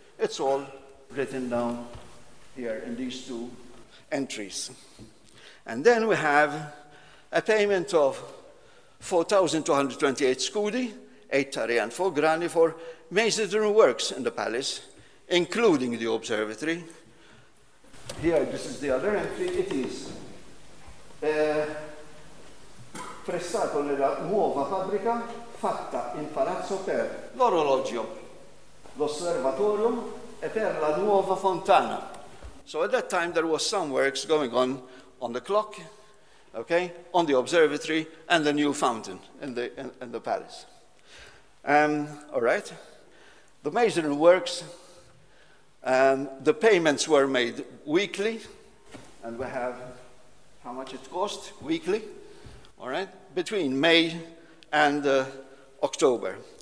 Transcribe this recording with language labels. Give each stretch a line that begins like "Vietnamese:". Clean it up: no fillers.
English: It's all written down here in these two entries. And then we have a payment of 4,228 scudi, 8 tari and 4 grani, for masonry works in the palace, including the observatory. Here, this is the other entry. It is
Italian: prestato nella nuova fabbrica fatta in palazzo per l'orologio, l'osservatorio e per la nuova fontana.
English: So at that time there was some works going on the clock, okay, on the observatory and the new fountain in the palace. All right, the masonry works, the payments were made weekly, and we have how much it cost weekly, all right, between May and October.